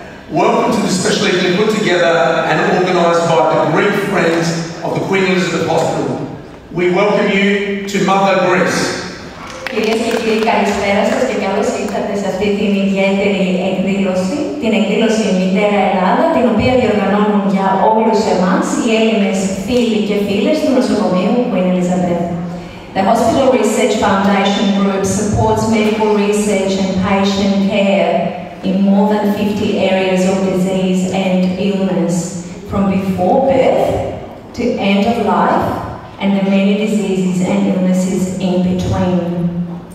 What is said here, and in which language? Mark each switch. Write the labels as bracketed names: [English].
[English] Welcome to the special evening put together and organised by the Greek Friends of the Queen Elizabeth Hospital. We welcome you to Mother Greece. [Greek] Κυρίες και κύριοι, καλησπέρα σας και καλώς ήρθατε σε αυτή την ιδιαίτερη εκδήλωση, την εκδήλωση Μητέρα Ελλάδα, την οποία διοργανώνουν για όλους εμάς οι Έλληνες φίλοι και φίλες του νοσοκομείου Queen Elizabeth. [English] The Hospital Research Foundation Group supports medical research and patient care in more than 50 areas of disease and illness, from before birth to end of life, and the many diseases and illnesses in between.